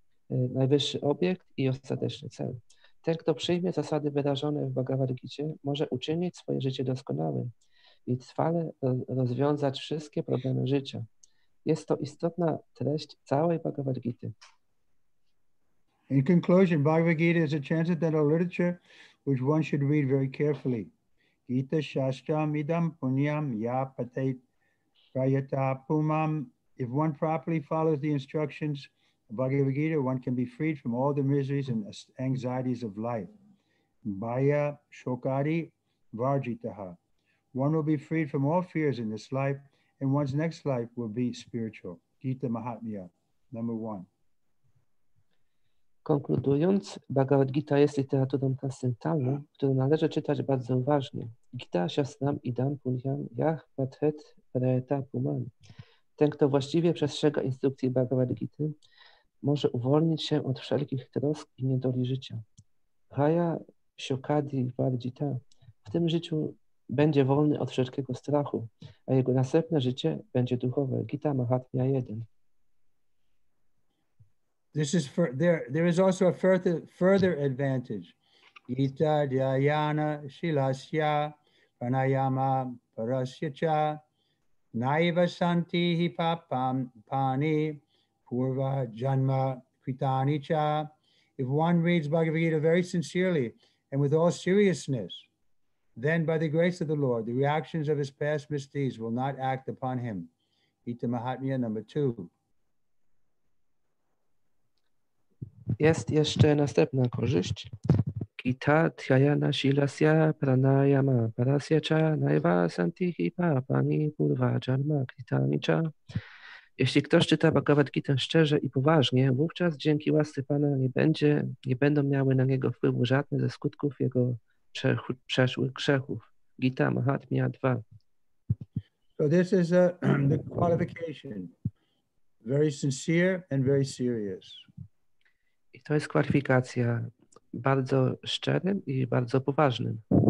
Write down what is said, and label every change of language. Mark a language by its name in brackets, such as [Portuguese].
[Polish] Najwyższy obiekt i ostateczny cel. Ten, kto przyjmie zasady wyrażone w Bhagavad Gita, może uczynić swoje życie doskonałym i trwale rozwiązać wszystkie problemy życia. Jest to istotna treść całej Bhagavad Gita. [English] In conclusion, Bhagavad Gita is a transcendental literature which one should read very carefully. [Sanskrit] Gita shastram idam punyam ya patet prayata pumam. [English] If one properly follows the instructions of Bhagavad Gita, one can be freed from all the miseries and anxieties of life. [Sanskrit] Baya shokari varjitaha. [English] One will be freed from all fears in this life, and one's next life will be spiritual. Gita Mahatmya, number one. [Polish] Konkludując, Bhagavad Gita jest literaturą transcendentalną, którą należy czytać bardzo uważnie. [Sanskrit] Gita Shastram Idam Punyam Yah Patet Prayata Puman. [Polish] Ten, kto właściwie przestrzega instrukcji Bhagavad Gita, może uwolnić się od wszelkich trosk i niedoli życia. [Sanskrit] Haya Shokadi Vardita. [Polish] W tym życiu będzie wolny od wszelkiego strachu, a jego następne życie będzie duchowe. Gita Mahatmya 1. [English] This is for, there is also a further advantage. [Sanskrit] Gita Dhyayana Shilasya Pranayama Parasya Cha Naiva santi hi papam pani purva janma kritani cha. [English] If one reads Bhagavad Gita very sincerely and with all seriousness, then by the grace of the Lord, the reactions of his past misdeeds will not act upon him. Gita Mahatmya number 2. [Polish] Jest jeszcze następna korzyść. [Sanskrit] Gita Tjayana Shilasya Pranayama Parasya Cha Naiva Santihi Papani Purva Jarma Kritani Cha. [Polish] Jeśli ktoś czyta Bhagavad Gita szczerze i poważnie, wówczas dzięki łasce Pana nie będą miały na niego wpływu żadne ze skutków jego przeszłych grzechów. Gita Mahatmya 2. [English] So this is the qualification. Very sincere and very serious. [Polish] I to jest kwalifikacja bardzo szczerym i bardzo poważnym.